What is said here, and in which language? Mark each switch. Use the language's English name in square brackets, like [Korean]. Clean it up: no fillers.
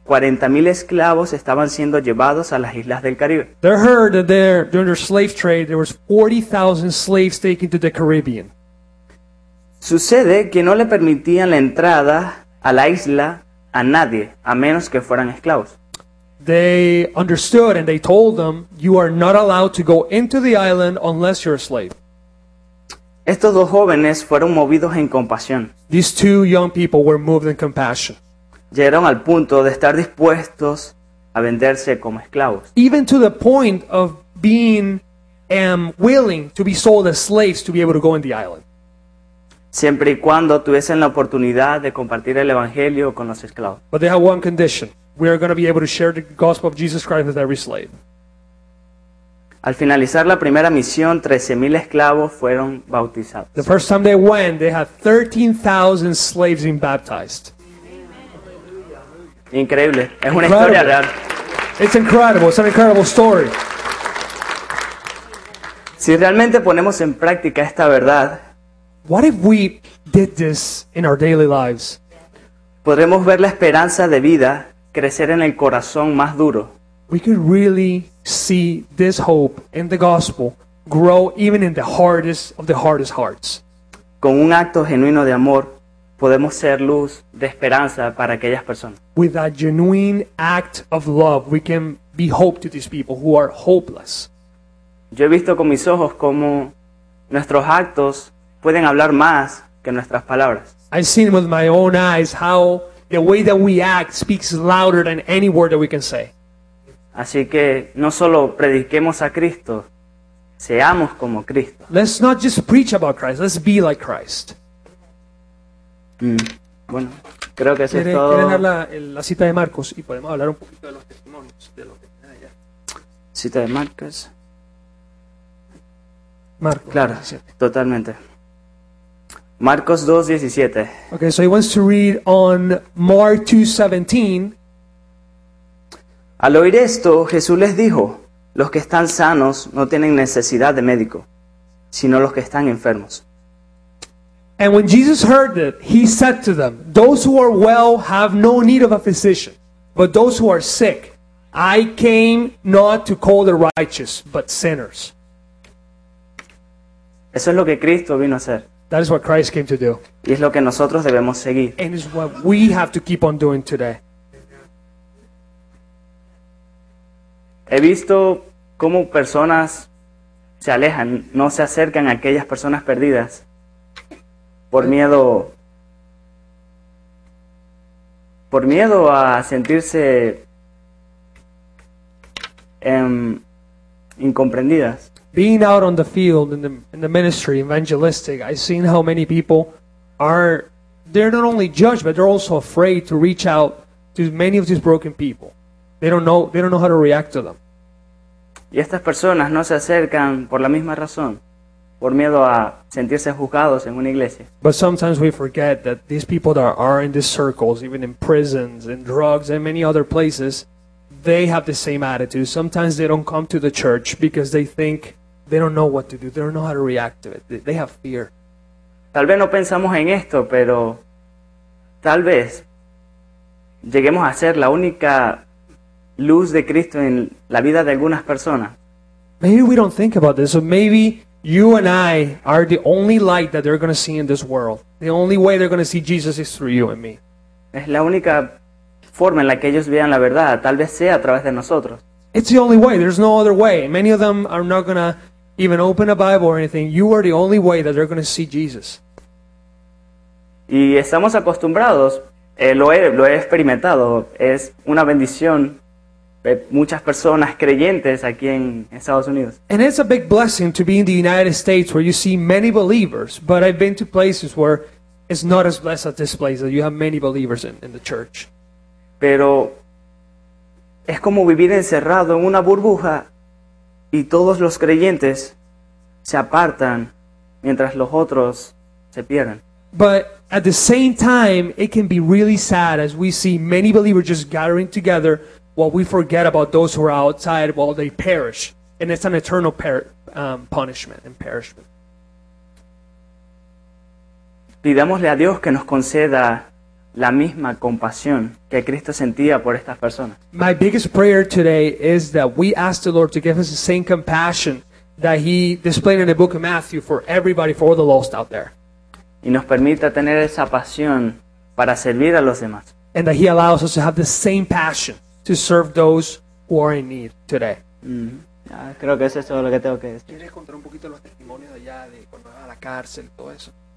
[Spanish] 40,000 esclavos estaban siendo llevados a las islas del Caribe. [English] They heard that there, during their slave trade, there was 40,000 slaves taken to the Caribbean. [Spanish] Sucede que no le permitían la entrada a la isla a nadie, a menos que fueran esclavos. [English] They understood and they told them, you are not allowed to go into the island unless you're a slave. [Spanish] Estos dos jóvenes fueron movidos en compasión. [English] These two young people were moved in compassion. [Spanish] Llegaron al punto de estar dispuestos a venderse como esclavos. [English] Even to the point of being willing to be sold as slaves to be able to go in the island. [Spanish] Siempre y cuando tuviesen la oportunidad de compartir el evangelio con los esclavos. [English] But they have one condition. We are going to be able to share the gospel of Jesus Christ with every slave. [Spanish] Al finalizar la primera misión, 13,000 esclavos fueron bautizados. [English] The first time they went, they had 13,000 slaves being baptized. [Spanish] Increíble. Es una historia real. [English] It's incredible. It's an incredible story. [Spanish] Si realmente ponemos en práctica esta verdad, [English] what if we did this in our daily lives? [Spanish] Podremos ver la esperanza de vida crecer en el corazón más duro. [English] We could really see this hope in the gospel grow even in the hardest of the hardest hearts. [Spanish] Con un acto genuino de amor, podemos ser luz de esperanza para aquellas personas. [English] With a genuine act of love, we can be hope to these people who are hopeless. [Spanish] Yo he visto con mis ojos cómo nuestros actos pueden hablar más que nuestras palabras. [English] I've seen with my own eyes how the way that we act speaks louder than any word that we can say. [Spanish] Así que no solo prediquemos a Cristo, seamos como Cristo. [English] Let's not just preach about Christ, let's be like Christ. [Spanish] Bueno, creo que eso es todo. ¿Quieren dar la cita de Marcos y podemos hablar un poquito de los testimonios de los que tienen allá? Cita de Marcos. Marcos. Claro, 17. Totalmente. Marcos 2:17. [English] Okay, so he wants to read on Mark 2:17. [Spanish] Al oír esto, Jesús les dijo, los que están sanos no tienen necesidad de médico, sino los que están enfermos. [English] And when Jesus heard it, he said to them, those who are well have no need of a physician, but those who are sick, I came not to call the righteous, but sinners. [Spanish] Eso es lo que Cristo vino a hacer. [English] That is what Christ came to do. [Spanish] Y es lo que nosotros debemos seguir. [English] And it's what we have to keep on doing today. [Spanish] He visto cómo personas se alejan, no se acercan a aquellas personas perdidas por miedo a sentirse incomprendidas. [English] Being out on the field in the ministry, evangelistic, I've seen how many people are, they're not only judged, but they're also afraid to reach out to many of these broken people. They don't know how to react to them. [Spanish] Y estas personas no se acercan por la misma razón, por miedo a sentirse juzgados en una iglesia. [English] But sometimes we forget that these people that are in these circles, even in prisons, in drugs, and many other places, they have the same attitude. Sometimes they don't come to the church because they think they don't know what to do. They don't know how to react to it. They have fear. [Spanish] Tal vez no pensamos en esto, pero tal vez lleguemos a ser la única luz de Cristo en la vida de algunas personas. [English] Maybe we don't think about this. So maybe you and I are the only light that they're going to see in this world. The only way they're going to see Jesus is through you and me. [Spanish] Es la única forma en la que ellos vean la verdad. Tal vez sea a través de nosotros. [English] It's the only way. There's no other way. Many of them are not going to even open a Bible or anything. You are the only way that they're going to see Jesus. [Spanish] Y estamos acostumbrados. Lo he experimentado. Es una bendición. Muchas personas creyentes aquí en Estados Unidos. [English] And it's a big blessing to be in the United States where you see many believers, but I've been to places where it's not as blessed as this place, that you have many believers in the church. [Spanish] Pero es como vivir encerrado en una burbuja y todos los creyentes se apartan mientras los otros se pierden. [English] But at the same time, it can be really sad as we see many believers just gathering together while we forget about those who are outside while they perish. And it's an eternal punishment and perishment. [Spanish] Pidámosle a Dios que nos conceda la misma compasión que Cristo sentía por estas personas. [English] My biggest prayer today is that we ask the Lord to give us the same compassion that he displayed in the book of Matthew for everybody, for all the lost out there. [Spanish] Y nos permita tener esa pasión para servir a los demás. [English] And that he allows us to have the same passion to serve those who are in need today. [Spanish] Creo que eso es todo lo que tengo que decir. ¿Quieres contar un poquito los testimonios de allá, de cuando va a la cárcel, todo eso?